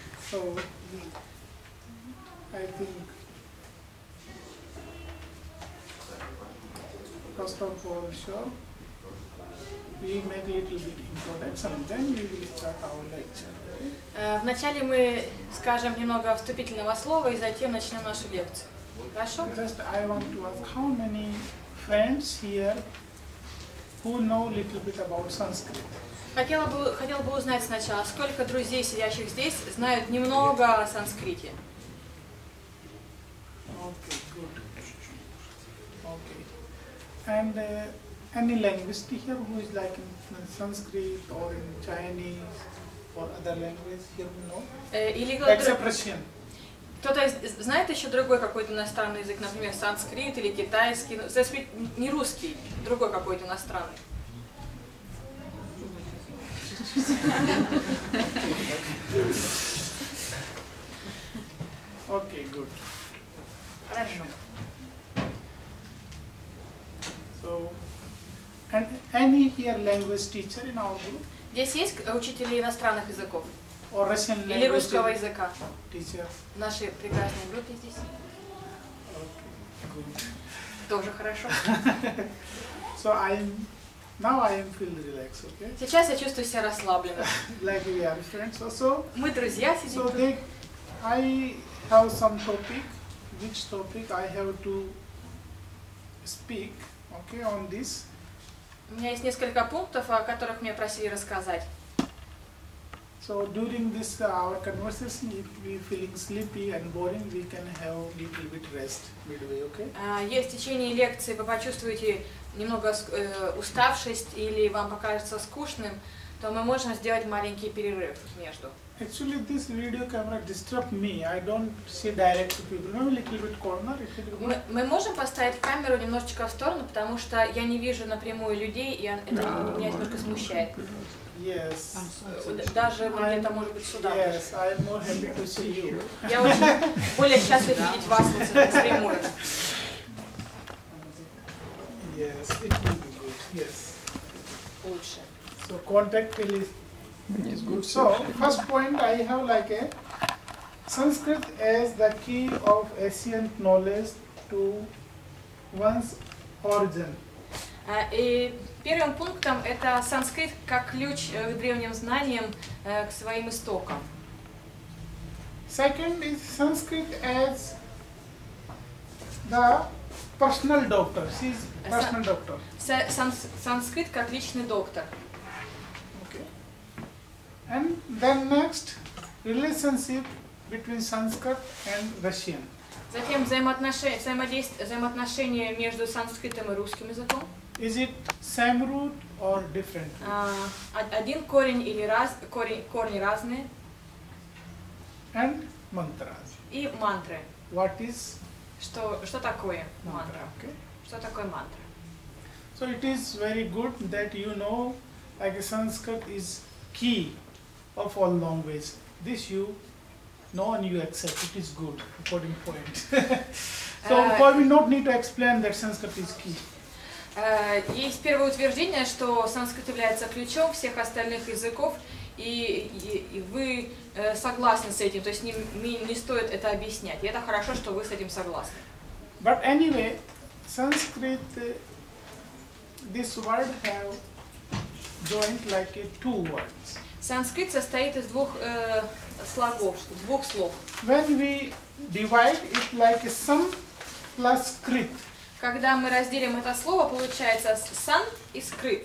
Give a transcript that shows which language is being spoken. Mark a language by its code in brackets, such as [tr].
[en] So, I think first of all, sure, we make a little bit introduction, then we will start our lecture. [ru] Вначале мы скажем немного вступительного слова и затем начнем нашу лекцию. Хорошо? [en] Just I want to ask how many friends here who know a little bit about Sanskrit. [ru] Хотела бы узнать сначала, сколько друзей, сидящих здесь, знают немного о санскрите. [en] Okay, good. Okay. And any language teacher who is like in Sanskrit or in Chinese or other language here who know? Except Russian. [ru] Кто-то знает еще другой какой-то иностранный язык, например, санскрит или китайский, но санскрит не русский, другой какой-то иностранный. [en] Okay, good. [ru] Хорошо. [en] So, and any here language teacher in our group? [ru] Здесь есть учителя иностранных языков? [en] Or Russian language? [ru] Или русского языка? [en] Teacher. [ru] В нашей прекрасной группе здесь. [en] Okay, good. [ru] Тоже хорошо. [en] So I'm. Now I am feel relaxed, okay? [ru] Сейчас я чувствую себя расслабленно. [en] Like we are friends also. [ru] Мы друзья сидим. [en] So they, I have some topic, which topic I have to speak, okay, on this. [ru] У меня есть несколько пунктов, о которых мне просили рассказать. [en] So during this our conversation, if we feeling sleepy and boring, we can have little bit rest midway, okay? [ru] Есть в течение лекции вы почувствуете немного уставшесть или вам покажется скучным, то мы можем сделать маленький перерыв между. [en] Actually, this video camera disturbs me. I don't see direct to people. No, a little bit corner. [ru] Мы можем поставить камеру немножечко в сторону, потому что я не вижу напрямую людей, и это меня немножко смущает. [en] Yes. [ru] Даже где-то, может быть, сюда. [en] Yes, I am more happy to see you. [ru] Я очень более счастлив видеть вас напрямую. [en] Yes, it will be good. Yes. [ru] Лучше. [en] So contact will is yes, good. So first point I have like a Sanskrit as the key of ancient knowledge to one's origin. [ru] И первым пунктом это санскрит как ключ к древним знаниям к своим истокам. [en] Second is Sanskrit as the personal doctor. She's personal doctor. [ru] Sanskrit как личный доктор. [en] Okay. And then next, relationship between Sanskrit and Russian. [ru] Затем взаимоотношения между санскритом и русским языком. [en] Is it same root or different root? [ru] Один корень или корни разные. [en] And mantras. [ru] И мантры. [en] What is? [ru] Что такое мантра? Okay. Что такое мантра? [en] So it is very good that you know, like Sanskrit is key of all languages. This you know and you accept. It is good, according to point. So for we not need to explain that Sanskrit is key. [ru] Есть первое утверждение, что санскрит является ключом всех остальных языков, и вы согласны с этим, то есть не стоит это объяснять. И это хорошо, что вы с этим согласны. [en] But anyway, Sanskrit, this word have joined like two words. [ru] Санскрит состоит из двух слогов, двух слов. [en] When we divide it like sam plus krit. [ru] Когда мы разделим это слово, получается сан и скрит.